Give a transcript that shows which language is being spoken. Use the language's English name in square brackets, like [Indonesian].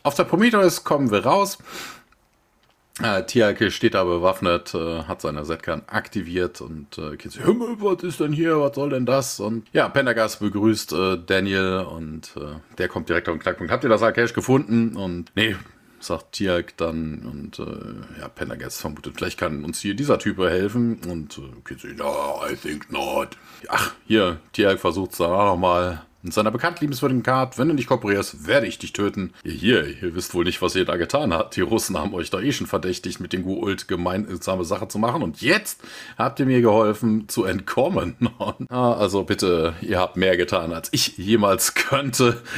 [German] Auf der Prometheus kommen wir raus. Tiake steht da bewaffnet, hat seine Zetkan aktiviert und Kinsey, Himmel, was ist denn hier? Was soll denn das? Und ja, Pendergast begrüßt Daniel und der kommt direkt auf den Knackpunkt. Habt ihr das Arcache gefunden? Und nee, sagt Tiake dann und ja, Pendergast vermutet, vielleicht kann uns hier dieser Typ helfen. [English] Und Kinsey, no, I think not. [German] Ach, hier, Tiake versucht es dann auch nochmal. In seiner bekannt liebenswürdigen Karte, wenn du nicht kooperierst, werde ich dich töten. Ihr wisst wohl nicht, was ihr da getan habt. Die Russen haben euch da eh schon verdächtigt, mit dem Goa'uld gemeinsame Sache zu machen. Und jetzt habt ihr mir geholfen, zu entkommen. Also bitte, ihr habt mehr getan, als ich jemals könnte.